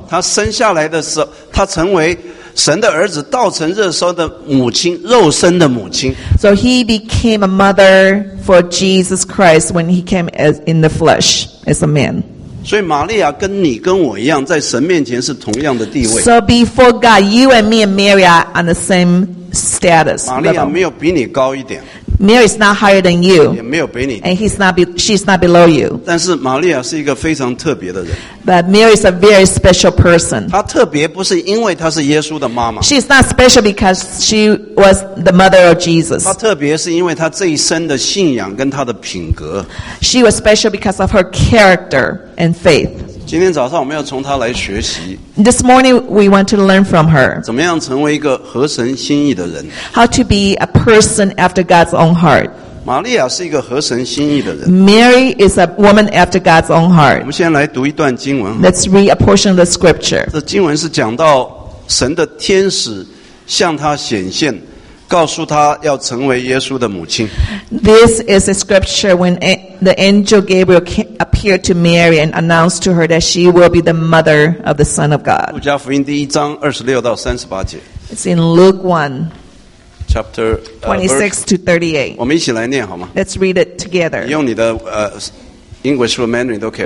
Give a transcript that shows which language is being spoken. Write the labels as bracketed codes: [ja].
[zh] 他生下来的时候，他成为。神的儿子道成肉身的母亲，肉身的母亲。 [en] So he became a mother for Jesus Christ when he came as in the flesh as a man. [zh] 所以玛利亚跟你跟我一样，在神面前是同样的地位。 [en] So before God, you and me and Mary are on the same status. [zh] 玛利亚没有比你高一点。 [en] Mary is not higher than you. [zh] 也没有比你。 [en] And she's not below you. [zh] 但是玛利亚是一个非常特别的人。 [en] But Mary is a very special person. [zh] 她特别不是因为她是耶稣的妈妈。 [en] She's not special because she was the mother of Jesus. [zh] 她特别是因为她这一生的信仰跟她的品格。 [en] She was special because of her character and faith. [zh] 今天早上我们要从她来学习。 [en] This morning we want to learn from her. [zh] 怎么样成为一个合神心意的人 [en] ？How to be a person after God's own heart. [zh] 玛利亚是一个合神心意的人。 [en] Mary is a woman after God's own heart. [zh] 我们先来读一段经文。 [en] Let's read a portion of the scripture. [zh] 这经文是讲到神的天使向她显现。告诉他要成为耶稣的母亲。 [en] This is a scripture when the angel Gabriel appeared to Mary and announced to her that she will be the mother of the Son of God. [zh] 路加福音第一章二十六到三十八节。 [en] It's in Luke 1, chapter 26 to 38. [zh] 我们一起来念好吗 [en] ？Let's read it together. [zh] 用你的 [en] English or Mandarin [zh] 都可以。